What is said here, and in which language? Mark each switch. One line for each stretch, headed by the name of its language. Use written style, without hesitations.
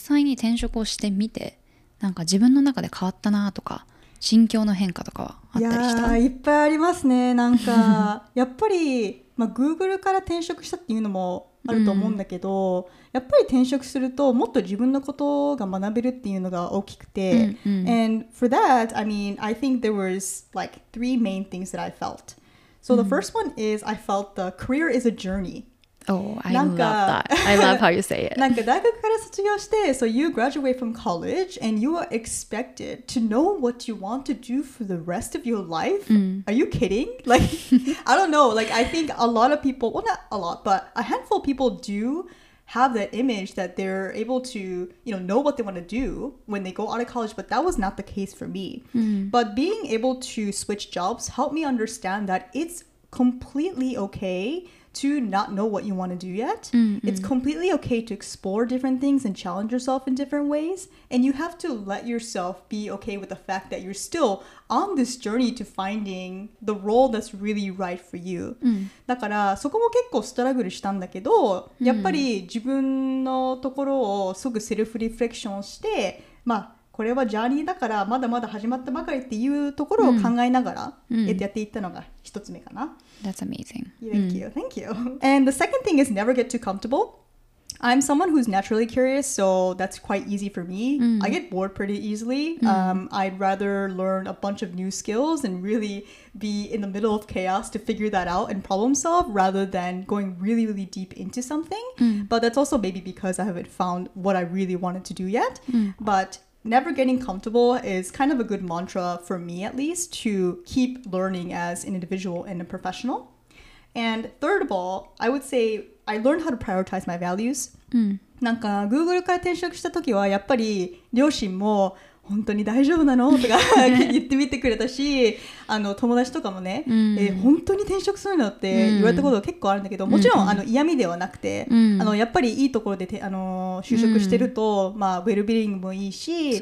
Japanese: なるほどね。ちなみに実際に転職をしてみて、なんか自分の中で変わったなとか、心境の変化とかはあったりした？いやー、いっぱいありますね。なんかやっぱり、まあ、Google から転職したっていうのもあると思うんだけど、うん、やっぱり転職するともっと自分のことが学べるっていうのが大きくて、うんうん、
English: And for that, I mean, I think there was like three main things that I felt. So the first one is I felt the career is a journey. Oh, I love that. I love how you say it.
Japanese: なんか大学から卒業して、
English: So you graduate from college and you are expected to know what you want to do for the rest of your life. Are you kidding? Like, I don't know. Like, I think a lot of people, well, not a lot, but a handful of people do have that image that they're able to, you know what they want to do when they go out of college. But that was not the case for me. But being able to switch jobs helped me understand that it's completely okay to not know what you want to do yet. Mm-hmm. It's completely okay to explore different things and challenge yourself in different ways. And you have to let yourself be okay with the fact that you're still on this journey to finding the role that's really right for you. Mm-hmm.
Japanese: だからそこも結構ストラグルしたんだけど、やっぱり自分のところをすぐセルフリフレクションして、まあこれはジャーニーだからまだまだ始まったばかりっていうところを考えながらやっていったのが一つ目かな。
English: That's amazing. Thank you. Thank you. And the second thing is never get too comfortable. I'm someone who's naturally curious, so that's quite easy for me. I get bored pretty easily. I'd rather learn a bunch of new skills and really be in the middle of chaos to figure that out and problem solve rather than going really, really deep into something. But that's also maybe because I haven't found what I really wanted to do yet. But never getting comfortable is kind of a good mantra for me, at least, to keep learning as an individual and a professional. And third of all, I would say I learned how to prioritize my values.
Japanese: なんか Google から転職した時はやっぱり両親も本当に大丈夫なのとか言ってみてくれたし、あの友達とかもね、本当に転職するのって言われたことが結構あるんだけど、もちろんあの嫌味ではなくて、あのやっぱりいいところで就職してると、まあ、ウェルビリングもいいし、